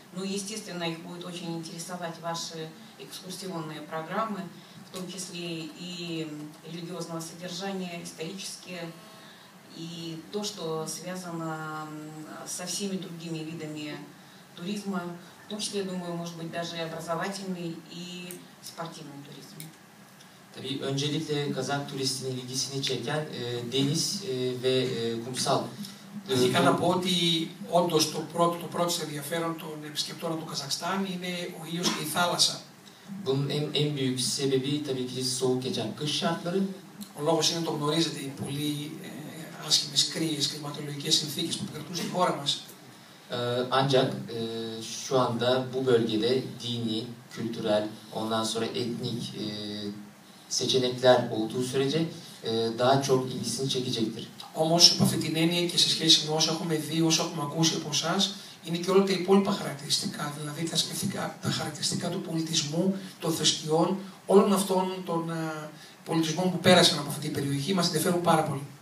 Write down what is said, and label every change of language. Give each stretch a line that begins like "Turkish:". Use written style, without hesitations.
Russian: Ну и, естественно, их будет очень интересовать ваши экскурсионные программы, в том числе и религиозного содержания, исторические, и то, что связано со всеми другими видами туризма, в том числе, я думаю, может быть, даже образовательный и спортивный туризм.
Turkish: Tabii öncelikle Kazak turistinin ilgisini çeken deniz ve kumsal.
Greek: Φυσικά να πω ότι όντως το πρώτο, το πρώτο ενδιαφέρον των επισκεπτών του Καζακστάν είναι ο ήλιος και η θάλασσα.
Turkish: En büyük sebebi tabii ki soğuk gecen kış şartları.
Greek: Ο λόγος είναι το γνωρίζετε οι πολύ άσχημες κρύες κλιματολογικές συνθήκες που επικρατούν στη χώρα μας.
Turkish: Ancak şu anda bu bölgede dini, kültürel, ondan sonra etnik seçenekler olduğu sürece daha çok ilgisini çekecektir.
Greek: Όμως από αυτή την έννοια και σε σχέση με όσα έχουμε δει, όσα έχουμε ακούσει από εσάς, είναι και όλα τα υπόλοιπα χαρακτηριστικά, δηλαδή τα χαρακτηριστικά του πολιτισμού, των θρησκειών, όλων αυτών των πολιτισμών που πέρασαν από αυτή την περιοχή, μας ενδιαφέρουν πάρα πολύ.